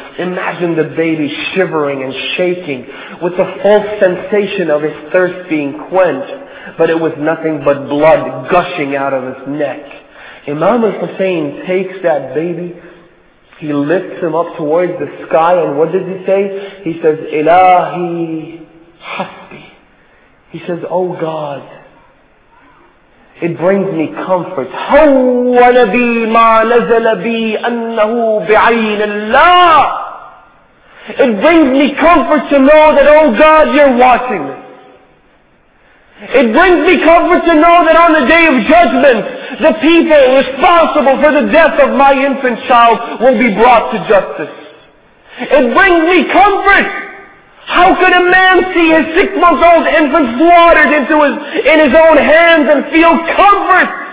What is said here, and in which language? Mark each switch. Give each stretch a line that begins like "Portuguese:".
English: Imagine the baby shivering and shaking with the false sensation of his thirst being quenched, but it was nothing but blood gushing out of his neck. Imam al-Hussein takes that baby, he lifts him up towards the sky, and what does he say? He says, Ilahi hasbi. He says, oh God, it brings me comfort.
Arabic: هون بي ما نزل بي أنه بعين الله.
English: It brings me comfort to know that, oh God, you're watching me. It brings me comfort to know that on the day of judgment, the people responsible for the death of my infant child will be brought to justice. It brings me comfort. How could a man see his six-month-old infant slaughtered in his own hands and feel comfort?